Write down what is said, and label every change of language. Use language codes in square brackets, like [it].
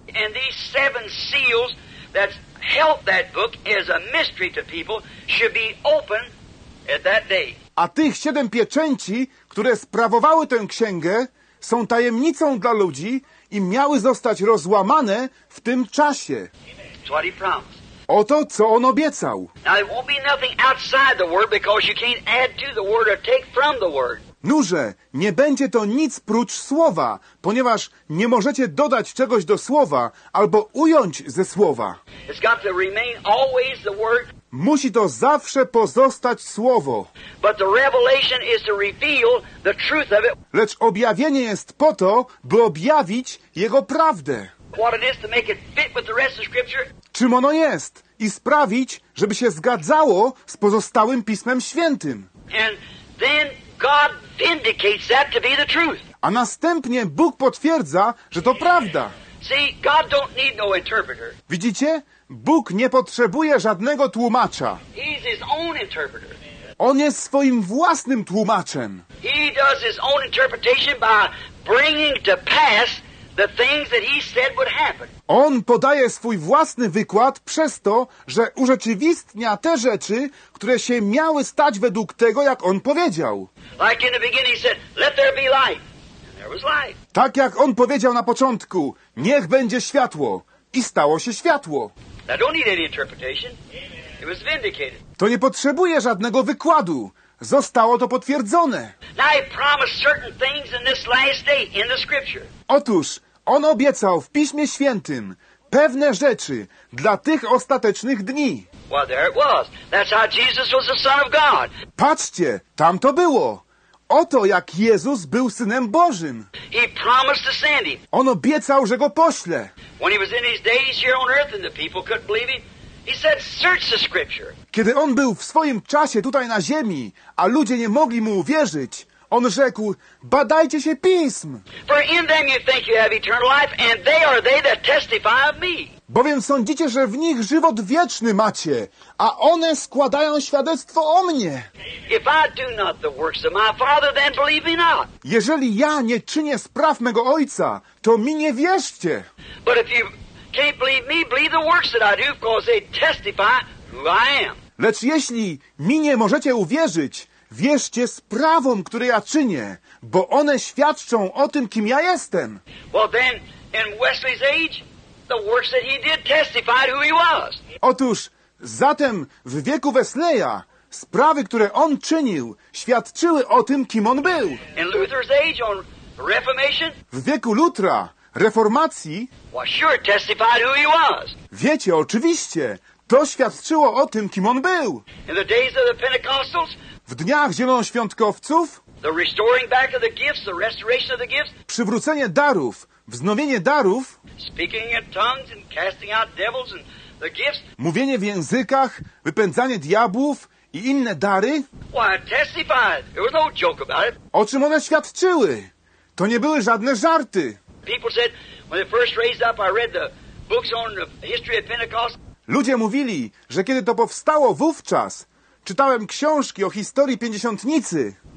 [en] And these seven seals that's held that book as a mystery to people should be open at that day. [pl] A tych siedem pieczęci, które sprawowały tę księgę, są tajemnicą dla ludzi i miały zostać rozłamane w tym czasie. [en] That's what he promised. [pl] Oto co on obiecał. [en] Now, there won't be nothing outside the word because you can't add to the word or take from the word. [pl] Noże, nie będzie to nic prócz słowa, ponieważ nie możecie dodać czegoś do słowa albo ująć ze słowa. [en] It's got to remain always the word. [pl] Musi to zawsze pozostać słowo. [en] But the revelation is to reveal the truth of it. [pl] Lecz objawienie jest po to, by objawić jego prawdę. [en] What it is to make it fit with the rest of scripture. [pl] Czym ono jest? I sprawić, żeby się zgadzało z pozostałym Pismem Świętym. [en] And then God vindicates that to be the truth. [pl] A następnie Bóg potwierdza, że to prawda. [en] See, God don't need no interpreter. [pl] Widzicie? Bóg nie potrzebuje żadnego tłumacza. [en] He's his own interpreter. [pl] On jest swoim własnym tłumaczem. [en] He does his own interpretation by bringing to pass the things that he said would happen. [pl] On podaje swój własny wykład przez to, że urzeczywistnia te rzeczy, które się miały stać według tego, jak on powiedział. [en] Like in the beginning he said, let there be light. And there was light. [pl] Tak jak on powiedział na początku, niech będzie światło. I stało się światło. [en] I don't need any interpretation. It was vindicated. [pl] To nie potrzebuje żadnego wykładu. Zostało to potwierdzone. [en] Now he promised certain things in this last day in the scripture. [pl] Otóż, on obiecał w Piśmie Świętym pewne rzeczy dla tych ostatecznych dni. [en] Well, there it was. That's how Jesus was the Son of God. [pl] Patrzcie, tam to było. Oto jak Jezus był Synem Bożym. [en] He promised to send him. [pl] On obiecał, że go pośle. [en] When he was in his days here on earth and the people couldn't believe him, he said, search the scripture. [pl] Kiedy on był w swoim czasie tutaj na ziemi, a ludzie nie mogli mu uwierzyć, on rzekł, badajcie się pism. [en] For in them you think you have eternal life, and they are they that testify of me. [pl] Bowiem sądzicie, że w nich żywot wieczny macie, a one składają świadectwo o mnie. [en] If I do not the works of my Father, then believe me not. [pl] Jeżeli ja nie czynię spraw mego Ojca, to mi nie wierzcie. [en] But if you can't believe me, believe the works that I do, because they testify who I am. [pl] Lecz jeśli mi nie możecie uwierzyć, wierzcie sprawom, które ja czynię, bo one świadczą o tym, kim ja jestem. [en] Well, then, in Wesley's age, the works that he did testified who he was. [pl] Otóż, zatem w wieku Wesleya sprawy, które on czynił, świadczyły o tym, kim on był. [en] In Luther's age, on Reformation, [pl] w wieku Lutra, Reformacji, [en] well, sure, testified who he was. [pl] Wiecie, oczywiście, to świadczyło o tym, kim on był. [en] In the days of the Pentecostals, [pl] w dniach zielonoświątkowców, [en] the restoring back of the gifts, the restoration of the gifts, [pl] przywrócenie darów, wznowienie darów, [en] speaking in tongues and casting out devils and the gifts, [pl] mówienie w językach, wypędzanie diabłów i inne dary, [en] well, it testified. There was no joke about it. [pl] O czym one świadczyły? To nie były żadne żarty. [en] People said, when they first raised up, I read the books on the history of Pentecost. [pl] Ludzie mówili, że kiedy to powstało wówczas, czytałem książki o historii Pięćdziesiątnicy.